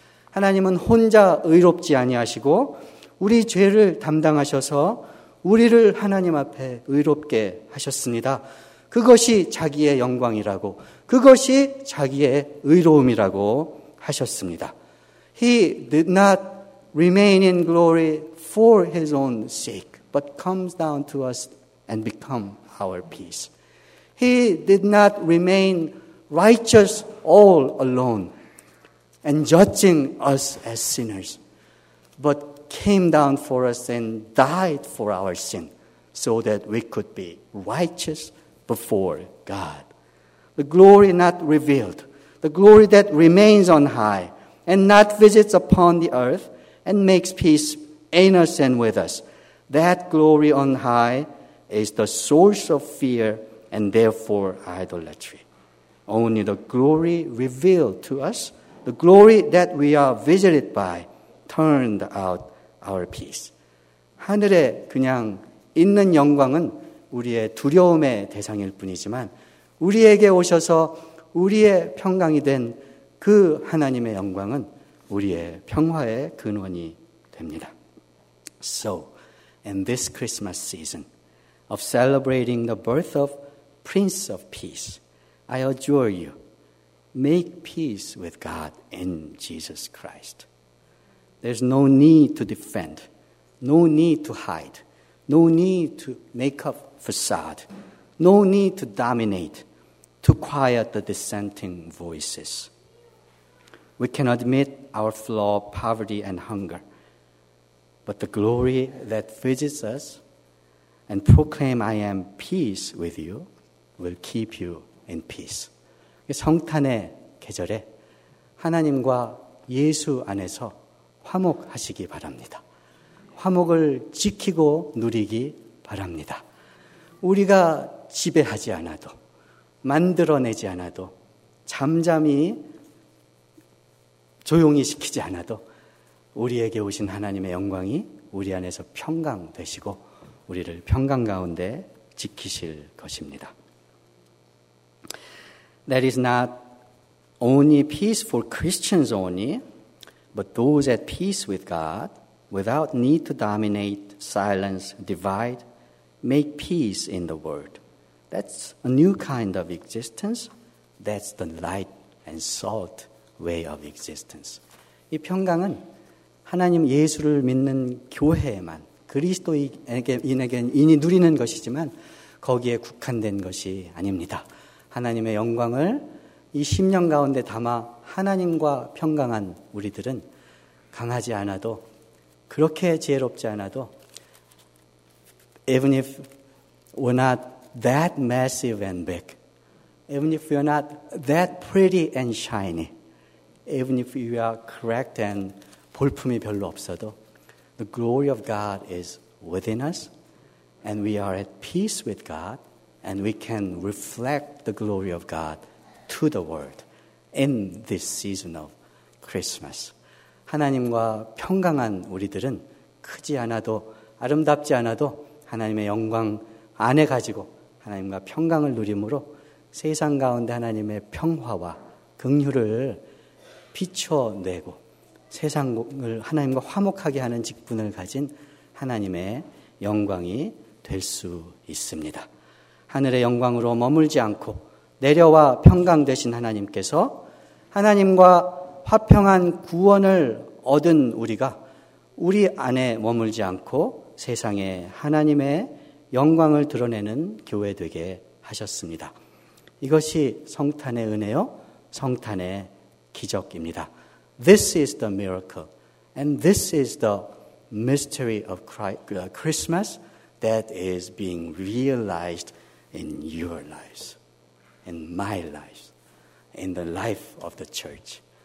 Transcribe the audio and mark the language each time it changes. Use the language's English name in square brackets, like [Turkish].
[Korean] 하나님은 혼자 의롭지 아니하시고 우리 죄를 담당하셔서 우리를 하나님 앞에 의롭게 하셨습니다. 그것이 자기의 영광이라고, 그것이 자기의 의로움이라고 하셨습니다. [English] He did not remain in glory for his own sake, but comes down to us and become our peace. He did not remain righteous all alone and judging us as sinners, but came down for us and died for our sin so that we could be righteous before God. The glory not revealed, the glory that remains on high and not visits upon the earth and makes peace in us and with us, that glory on high is the source of fear and therefore idolatry. Only the glory revealed to us, the glory that we are visited by, turned out our peace. [Korean] 하늘에 그냥 있는 영광은 우리의 두려움의 대상일 뿐이지만 우리에게 오셔서 우리의 평강이 된 그 하나님의 영광은 우리의 평화의 근원이 됩니다. [English] So, in this Christmas season of celebrating the birth of Prince of Peace, I adjure you, make peace with God in Jesus Christ. There's no need to defend, no need to hide, no need to make up facade, no need to dominate, to quiet the dissenting voices. We can admit our flaw, poverty, and hunger, but the glory that visits us and proclaim I am peace with you will keep you in peace. [Korean] 성탄의 계절에 하나님과 예수 안에서 화목하시기 바랍니다. 화목을 지키고 누리기 바랍니다. 우리가 지배하지 않아도, 만들어내지 않아도, 잠잠히 조용히 시키지 않아도 우리에게 오신 하나님의 영광이 우리 안에서 평강 되시고 우리를 평강 가운데 지키실 것입니다. [English] That is not only peace for Christians only, but those at peace with God, without need to dominate, silence, divide, make peace in the world. That's a new kind of existence. That's the light and salt way of existence. [Korean] 이 평강은 하나님 예수를 믿는 교회에만, 그리스도인에게 누리는 것이지만 거기에 국한된 것이 아닙니다. 하나님의 영광을 이 10년 가운데 담아 하나님과 평강한 우리들은 강하지 않아도, 그렇게 지혜롭지 않아도, [English] even if we're not that massive and big, even if we're not that pretty and shiny, even if we are cracked and [Korean] 볼품이 별로 없어도 [English] the glory of God is within us and we are at peace with God, and we can reflect the glory of God to the world in this season of Christmas. [Korean] 하나님과 평강한 우리들은 크지 않아도 아름답지 않아도 하나님의 영광 안에 가지고 하나님과 평강을 누림으로 세상 가운데 하나님의 평화와 긍휼을 비춰내고 세상을 하나님과 화목하게 하는 직분을 가진 하나님의 영광이 될 수 있습니다. 하늘의 영광으로 머물지 않고 내려와 평강 되신 하나님께서 하나님과 화평한 구원을 얻은 우리가 우리 안에 머물지 않고 세상에 하나님의 영광을 드러내는 교회 되게 하셨습니다. 이것이 성탄의 은혜요, 성탄의 기적입니다. [English] This is the miracle, and this is the mystery of Christmas that is being realized in your lives, in my lives, in the life of the church.